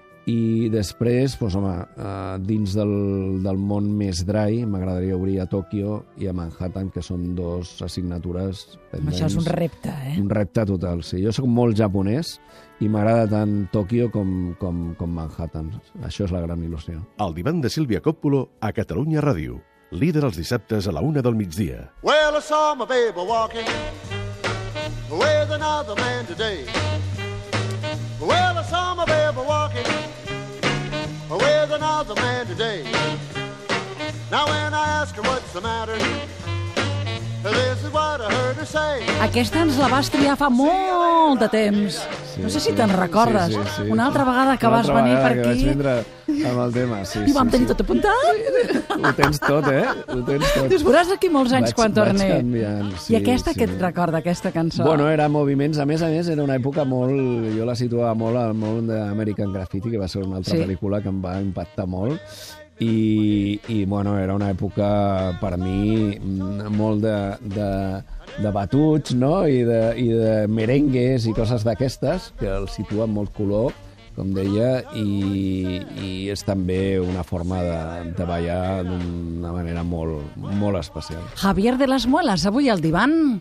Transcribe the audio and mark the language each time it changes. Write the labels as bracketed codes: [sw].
[ca] I després, doncs, home, dins del món més dry, m'agradaria obrir a Tòquio i a Manhattan, que són dos assignatures pendents. Això és un repte, eh? Un repte total, sí. Jo soc molt japonès i m'agrada tant Tòquio com Manhattan. Això és la gran il·lusió. El divan de Sílvia Coppolo a Catalunya Ràdio. Líder els dissabtes a la una del migdia. [en] Well, I saw my baby walking with another man today. Well, I saw my baby walking with another man today. Now when I ask her what's the matter, this is what I heard her say. [ca] Aquesta ens la vas triar fa molt de temps. Sí, no sé si te'n recordes. Sí, sí, sí. Una altra vegada que una vas venir per aquí... Vaig vendre amb el tema, sí. I vam tenir tot apuntat. Ho tens tot, eh? Ho tens tot. Dius, veuràs aquí molts anys quan torni. Vaig canviant, sí. I aquesta, sí, què et recorda, aquesta cançó? Bueno, era moviments. A més, era una època molt... Jo la situava molt al món d'American Graffiti, que va ser una altra pel·lícula que em va impactar molt. I bueno, era una època, per mi, molt de batuts, no? I de merengues i coses d'aquestes, que el situen molt color, com deia, i és també una forma de ballar d'una manera molt, molt especial. Javier de las Muelas, avui al divan.